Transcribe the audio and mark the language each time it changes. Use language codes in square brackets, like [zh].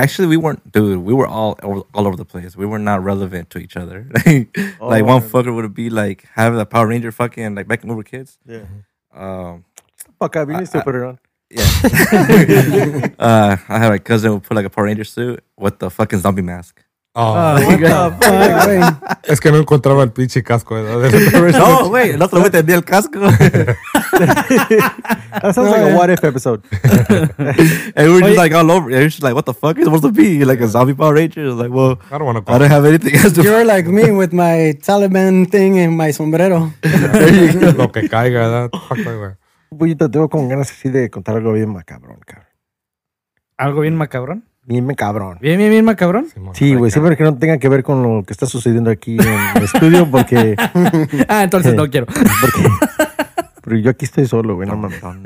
[en] Actually we weren't, dude, we were all over the place. We were not relevant to each other. Like oh, one man. Fucker would be like having a Power Ranger fucking like back when we were kids. Yeah. Fuck, I need to put it on. Yeah. I had a cousin who put like a Power Ranger suit with the fucking zombie mask. Oh, what the fuck, [es] es que no encontraba el pinche casco. No, güey, el otro güey tenía el casco. [en] That sounds like a what if episode. And we were just like all over. And we were just like, what the fuck is supposed to be? Like a zombie Power Ranger? Like, well, I don't want to. I don't have anything else to. You're like me with my Taliban thing and my sombrero. There you go. [es] Lo que caiga, ¿verdad? Pues yo te tengo con ganas así de contar algo bien macabrón, cabrón. ¿Algo bien macabrón? Bien macabrón. ¿Bien, bien, bien macabrón? Sí, güey. Sí, siempre que no tenga que ver con lo que está sucediendo aquí en el estudio, porque... Ah, entonces no quiero. Porque, pero yo aquí estoy solo, güey. No, mames.